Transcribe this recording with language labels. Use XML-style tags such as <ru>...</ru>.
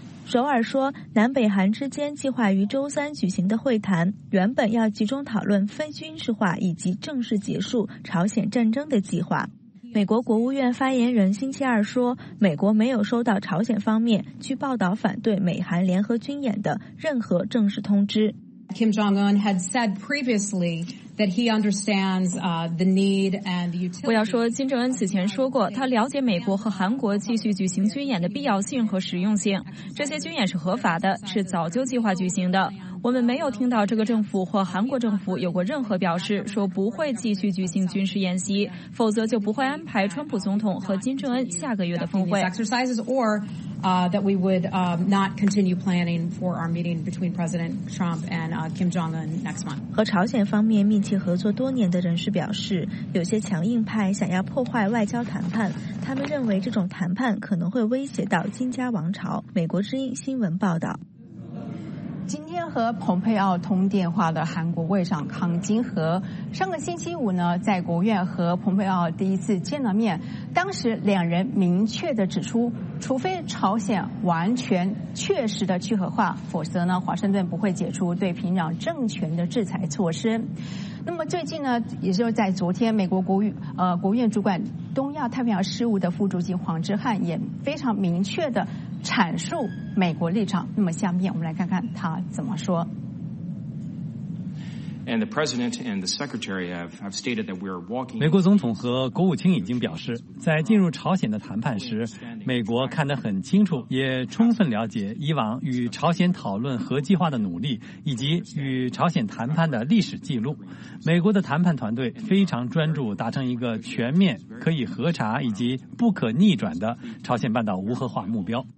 <zh>首尔说，南北韩之间计划于周三举行的会谈，原本要集中讨论非军事化以及正式结束朝鲜战争的计划。美国国务院发言人星期二说，美国没有收到朝鲜方面去报道反对美韩联合军演的任何正式通知。</zh> <en>Kim Jong-un had said previously that he understands the need and utility.</en> <zh>我要说，金正恩此前说过，他了解美国和韩国继续举行军演的必要性和实用性。这些军演是合法的，是早就计划举行的。我们没有听到这个政府或韩国政府有过任何表示说不会继续举行军事演习，否则就不会安排川普总统和金正恩下个月的峰会。</zh> <en>That we would not continue planning for our meeting between President Trump and Kim Jong-un next month.</en> <zh>和朝鲜方面密切合作多年的人士表示，有些强硬派想要破坏外交谈判，他们认为这种谈判可能会威胁到金家王朝。美国之音新闻报道。今天和蓬佩奥通电话的韩国外长康金和，上个星期五呢，在国务院和蓬佩奥第一次见了面，当时两人明确地指出，除非朝鲜完全确实的去核化，否则呢，华盛顿不会解除对平壤政权的制裁措施。那么最近呢，也就在昨天，美国国务院主管东亚太平洋事务的副主席黄之翰也非常明确的阐述美国立场。那么下面我们来看看他怎么说。</zh> <en>And the President and the Secretary have stated that we are walking.</en> <zh>美国总统和国务卿已经表示，在进入朝鲜的谈判时，美国看得很清楚，也充分了解以往与朝鲜讨论核计划的努力以及与朝鲜谈判的历史记录。美国的谈判团队非常专注达成一个全面、可以核查以及不可逆转的朝鲜半岛无核化目标。</zh>